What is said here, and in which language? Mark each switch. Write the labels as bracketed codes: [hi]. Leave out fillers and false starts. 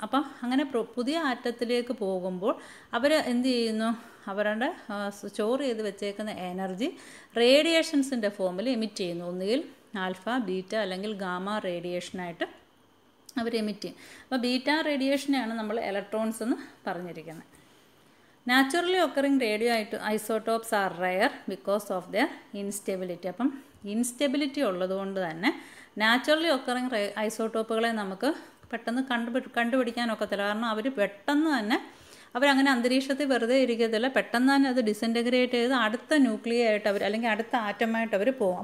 [ml] അപ്പം അങ്ങനെ പുതിയ ആറ്റത്തിലേക്ക് പോകുമ്പോൾ അവർ എന്ത് ചെയ്യുന്നു, അവരുടെ സ്റ്റോർ ചെയ്ത് വെച്ചേക്കുന്ന എനർജി റേഡിയേഷൻസിൻ്റെ ഫോമിൽ എമിറ്റ് ചെയ്യുന്നു. ഒന്നുകിൽ ആൽഫ, ബീറ്റ അല്ലെങ്കിൽ ഗാമ റേഡിയേഷനായിട്ട് അവർ എമിറ്റ് ചെയ്യും. അപ്പോൾ ബീറ്റ റേഡിയേഷനെയാണ് നമ്മൾ ഇലക്ട്രോൺസ് എന്ന് പറഞ്ഞിരിക്കുന്നത്. [en] Naturally occurring radioisotopes are rare because of their instability. [ml] അപ്പം ഇൻസ്റ്റെബിലിറ്റി ഉള്ളതുകൊണ്ട് തന്നെ നാച്ചുറലി ഒക്കറിങ് ഐസോട്ടോപ്പുകളെ നമുക്ക് പെട്ടെന്ന് കണ്ടുപിടിക്കാനൊക്കത്തില്ല. കാരണം അവർ പെട്ടെന്ന് തന്നെ, അവരങ്ങനെ അന്തരീക്ഷത്തിൽ വെറുതെ ഇരിക്കത്തില്ല, പെട്ടെന്ന് തന്നെ അത് ഡിസിൻറ്റഗ്രേറ്റ് ചെയ്ത് അടുത്ത ന്യൂക്ലിയ ആയിട്ട് അവർ അല്ലെങ്കിൽ അടുത്ത ആറ്റമായിട്ട് അവർ പോകും.